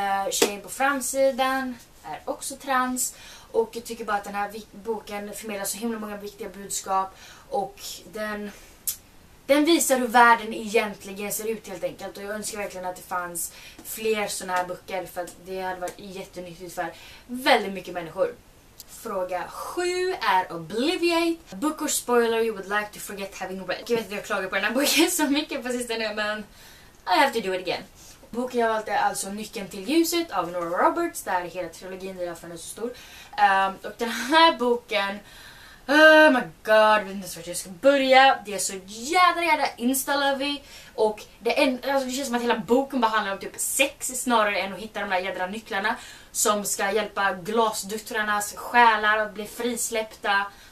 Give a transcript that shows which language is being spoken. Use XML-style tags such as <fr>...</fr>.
<sv>Tjejen på framsidan är också trans. Och jag tycker bara att den här boken förmedlar så himla många viktiga budskap. Och den den visar hur världen egentligen ser ut helt enkelt. Och jag önskar verkligen att det fanns fler såna här böcker, för att det hade varit jättenyttigt för väldigt mycket människor. Fråga 7 är Obliviate.</sv> <en>Book or spoiler you would like to forget having read.</en> <sv>Jag vet inte, jag klagar på den här boken så mycket på sistone, men</sv> <en>I have to do it again.</en> <sv>Boken jag valt är alltså Nyckeln till ljuset av Nora Roberts. Där hela trilogin är därför är så stor. Och den här boken,</sv> <en>oh my god,</en> <sv>jag vet inte så att jag ska börja. Det är så jävla insta-lovey. Och det känns som att hela boken behandlar om typ sex snarare än att hitta de där jävla nycklarna som ska hjälpa glasduttrarnas själar att bli frisläppta.</sv>